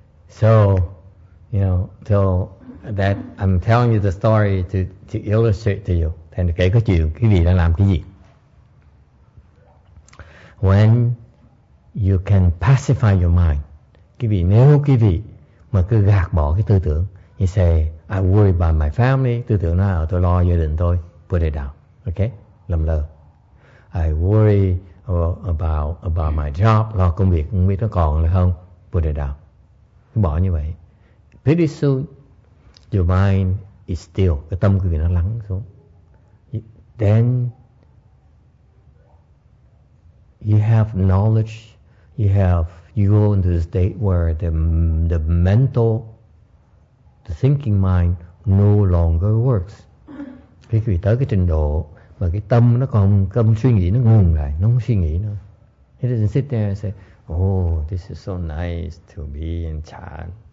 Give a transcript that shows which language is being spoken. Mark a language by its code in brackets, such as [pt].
[en] So, you know, so that I'm telling you the story to illustrate to you. [vi] Thầy kể cái chuyện, quý vị đang làm cái gì? [en] When you can pacify your mind, [vi] quý vị, nếu quý vị mà cứ gạt bỏ cái tư tưởng, [en] you say, I worry about my family. [vi] Tư tưởng là tôi lo gia đình tôi. [en] Put it down. Okay? [vi] Lầm lơ. [en] I worry about my job. [vi] Lo công việc. Không biết nó còn hay không. [en] Put it down. [vi] Bỏ như vậy. [en] Pretty soon, your mind is still. [vi] Cái tâm của mình nó lắng xuống. [en] Then, you have knowledge. You go into the state where the mental, the thinking mind no longer works. [vi] Khi quý vị tới cái trình độ mà cái tâm nó còn không suy nghĩ, nó ngừng lại, nó không suy nghĩ nữa. [en] He doesn't sit there and say, oh, this is so nice to be in Chan.